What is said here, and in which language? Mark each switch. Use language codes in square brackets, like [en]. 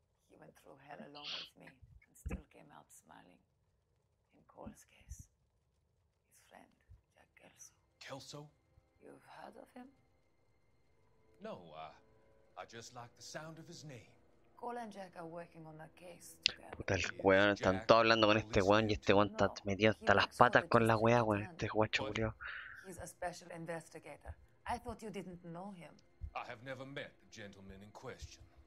[en] He went through hell along with me and still came out smiling. In Cole's case, his friend, Jack Kelso. Kelso? You've heard of him? No, I just like the sound of his name. Cole and Jack are working on a case together. [es] Puta el weón, están todos hablando con este weón y este weón está metido hasta las patas con la weá, weón, este guacho murió. [en] He's a special investigator. I thought you didn't know him. I have never met the gentleman in question.